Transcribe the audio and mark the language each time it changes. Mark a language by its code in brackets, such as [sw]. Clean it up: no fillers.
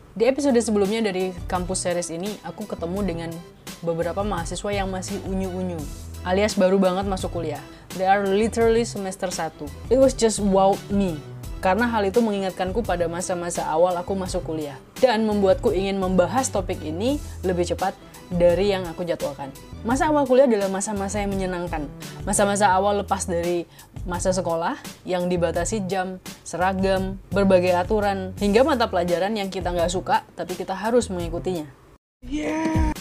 [id] Di episode sebelumnya dari kampus series ini, aku ketemu dengan beberapa mahasiswa yang masih unyu-unyu, alias baru banget masuk kuliah. [en] They are literally semester 1. It was just wow me. [id] Karena hal itu mengingatkanku pada masa-masa awal aku masuk kuliah dan membuatku ingin membahas topik ini lebih cepat dari yang aku jadwalkan. Masa awal kuliah adalah masa-masa yang menyenangkan. Masa-masa awal lepas dari masa sekolah yang dibatasi jam, seragam, berbagai aturan, hingga mata pelajaran yang kita nggak suka tapi kita harus mengikutinya. Yeah.